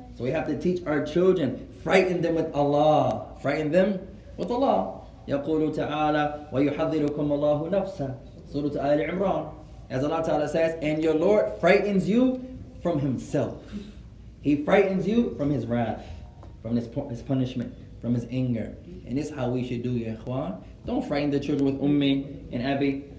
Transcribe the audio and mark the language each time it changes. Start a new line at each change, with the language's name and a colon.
English: So we have to teach our children, frighten them with Allah. Frighten them with Allah.
Arabic: يقول تعالى ويحذركم الله نفسه سورة آل عمران.
English: As Allah Ta'ala says, and your Lord frightens you from himself. He frightens you from his wrath, from his punishment, from his anger. And this is how we should do, ya ikhwan. Don't frighten the children with Ummi and Abi.